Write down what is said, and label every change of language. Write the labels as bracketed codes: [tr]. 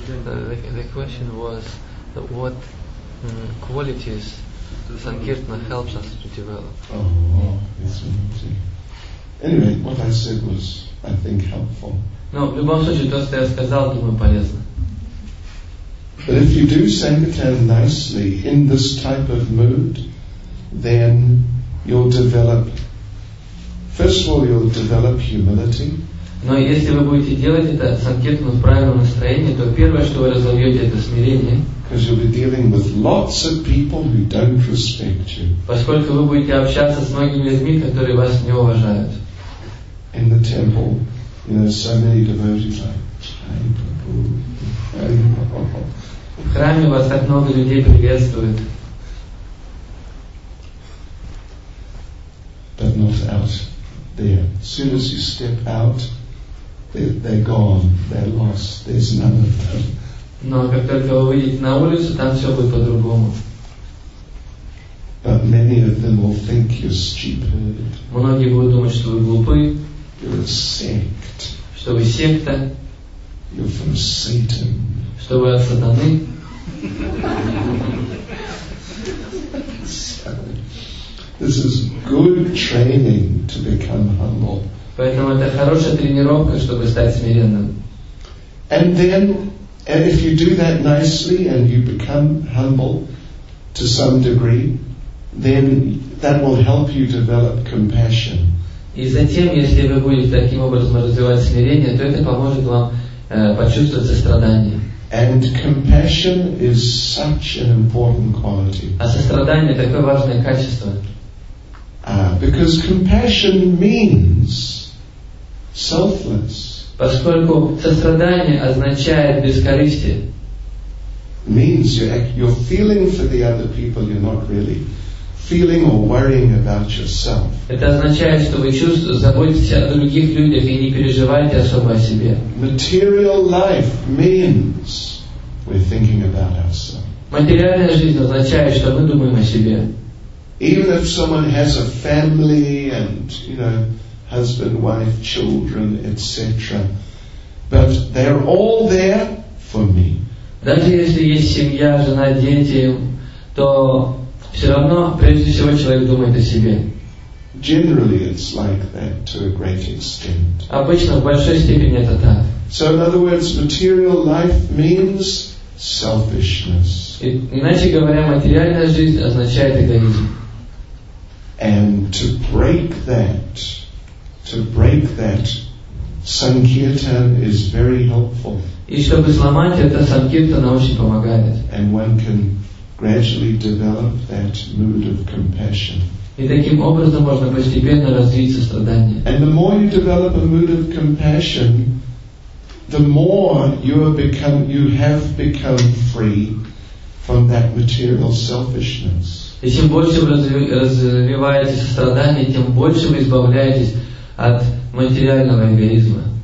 [en] The question was that what qualities Sankirtana helps us to develop. Oh, yes, I see. Anyway, what I said was, I think, helpful. [ru] No, в любом случае, то, что я сказал, думаю, полезно. [en] But if you do Sankirtan nicely in this type of mood, then you'll develop, first of all, you'll develop humility. [ru] Но если вы будете делать это Санкиртану в правильном настроении, то первое, что вы разовьете, это смирение. [en] Because you'll be dealing with lots of people who don't respect you. [ru] Поскольку вы будете общаться с многими людьми, которые вас не уважают. [en] In the temple, you know, so many devotees like, Chai Prabhu, Chai [ru] Prabhu. В храме вас так много людей приветствуют. [en] But not out there. As soon as you step out, they're gone, they're lost, there's none of them. [ru] Но как только вы выйдете на улицу, там все будет по-другому. [en] But many of them will think you're stupid. [ru] Многие будут думать, что вы глупы. [en] You're a sect. [ru] Что вы секта. [en] You're from Satan. [ru] Что вы от сатаны. [en] This is good training to become humble. [ru] Поэтому это хорошая тренировка, чтобы стать смиренным. [en] And then, and if you do that nicely and you become humble to some degree, then that will help you develop compassion. [ru] И затем, если вы будете таким образом развивать смирение, то это поможет вам почувствовать сострадание. [en] And compassion is such an important quality. [ru] А сострадание такое важное качество. [en] Because compassion means selfless. [ru] Поскольку сострадание означает бескорыстие. [en] Means you're feeling for the other people, you're not really feeling or worrying about yourself. [ru] Это означает, что вы чувствуете, заботитесь о других людях и не переживаете особо о себе. [en] Material life means we're thinking about ourselves. [ru] Материальная жизнь означает, что мы думаем о себе. [en] Even if someone has a family and, you know, husband, wife, children, etc. But they're all there for me. [ru] Даже если есть семья, жена, дети, то все равно, прежде всего, человек думает о себе. [en] Generally, it's like that to a great extent. [ru] Обычно, в большой степени, это так. [en] So, in other words, material life means selfishness. [ru] Иначе говоря, материальная жизнь означает эгоизм. [en] And to break that, Sankirtan is very helpful. [ru] И чтобы сломать это, Санкиртана очень помогает. [en] And one can gradually develop that mood of compassion. [ru] И таким образом можно постепенно развить сострадание. [en] And the more you develop a mood of compassion, the more you have become free from that material selfishness. [ru] И чем больше вы развиваете сострадание, тем больше вы избавляетесь от материального эгоизма.